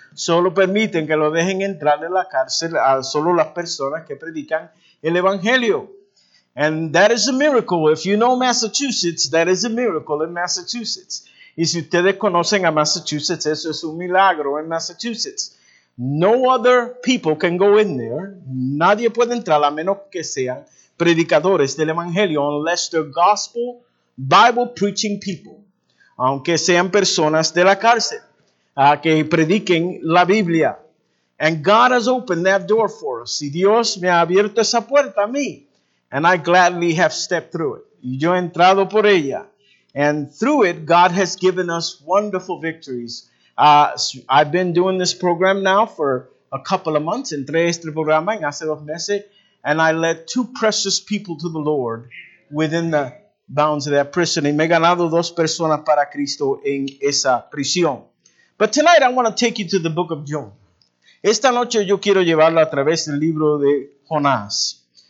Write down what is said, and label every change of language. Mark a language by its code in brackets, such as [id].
[es] Solo permiten que lo dejen entrar en la cárcel a solo las personas que predican el evangelio. [en] And that is a miracle. If you know Massachusetts, that is a miracle in Massachusetts. [es] Y si ustedes conocen a Massachusetts, eso es un milagro en Massachusetts. [en] No other people can go in there. [es] Nadie puede entrar a menos que sean predicadores del evangelio, [en] unless they're gospel, Bible preaching people. [es] Aunque sean personas de la cárcel, que prediquen la Biblia. [en] And God has opened that door for us. [es] Y Dios me ha abierto esa puerta a mí. [en] And I gladly have stepped through it. [es] Y yo he entrado por ella. [en] And through it, God has given us wonderful victories. I've been doing this program now for a couple of months. [es] Entré este programa en hace dos meses. [en] And I led two precious people to the Lord within the bounds of that prison. [es] Y me he ganado dos personas para Cristo en esa prisión. [en] But tonight I want to take you to the book of Jonah. [es] Esta noche yo quiero llevarlo a través del libro de Jonás.